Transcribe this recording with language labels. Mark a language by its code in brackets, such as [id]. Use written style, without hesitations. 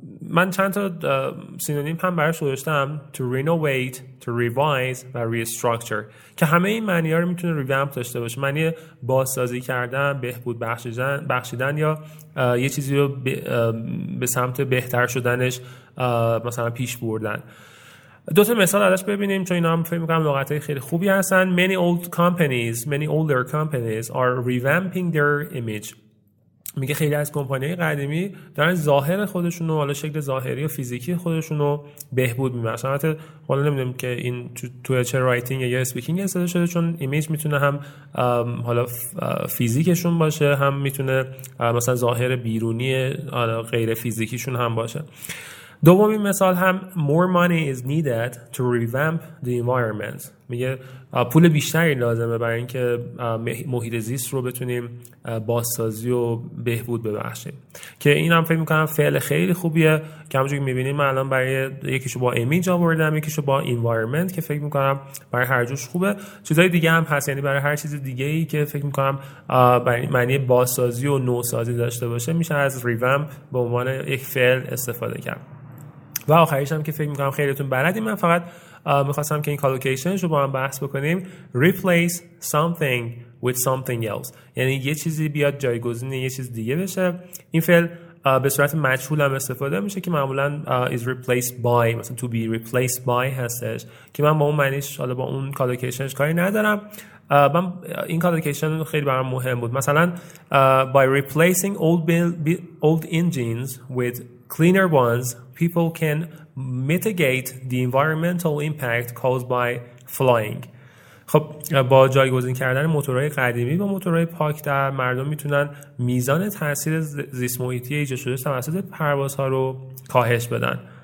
[fa] من چند تا سینونیم هم براش گذاشتم: to renovate, to revise و restructure، که همه این معنی‌ها رو میتونه revamp داشته باشه. معنی بازسازی کردن، بهبود بخشیدن، یا یه چیزی رو به سمت بهتر شدنش مثلا پیش بردن. دو تا مثال ازش ببینیم، چون اینا هم فکر می‌کنم لغت‌های خیلی خوبی هستن. [en] Many older companies are revamping their image. [fa] میگه خیلی از کمپانی‌های قدیمی دارن ظاهر خودشون رو، حالا شکل ظاهری و فیزیکی خودشون رو بهبود می‌دن. مثلا حالا نمی‌دونم که این تو چه رایتینگ یا اسپیکینگ استفاده شده، چون ایمیج میتونه هم حالا فیزیکشون باشه، هم میتونه مثلا ظاهر بیرونی حالا غیر فیزیکیشون هم باشه. دومین مثال هم [en] more money is needed to revamp the environment. [fa] میگه پول بیشتری لازمه برای اینکه محیط زیست رو بتونیم بازسازی و بهبود ببخشیم. که این هم فکر میکنم فعل خیلی خوبیه، که همونجوری که میبینیم الان برای یکیشو با image آوردم، یکیشو با environment، که فکر میکنم برای هر جوش خوبه. چیزای دیگه هم هست، یعنی برای هر چیز دیگه ای که فکر میکنم برای معنی بازسازی و نوسازی داشته باشه میشه از revamp به عنوان یک فعل استفاده کرد. و آخریش هم که فکر میکنم خیلیتون بلدیم، من فقط میخواستم که این کالوکیشنش رو با هم بحث بکنیم: [en] replace something with something else، [fa] یعنی یه چیزی بیاد جایگزین یه چیز دیگه بشه. این فعل به صورت مجهول هم استفاده میشه، که معمولا is replaced by، مثلا to be replaced by هستش، که من با اون معنیش حالا با اون کالوکیشنش کاری ندارم. من این کالوکیشن خیلی برام مهم بود. مثلا [en] by replacing old engines with cleaner ones people can mitigate the environmental impact caused by flying. [fa] خب با جایگزین کردن موتورهای قدیمی با موتورهای پاک در مردم میتونن میزان تاثیر زیست محیطی ایجاد شده توسط پروازها رو کاهش بدن.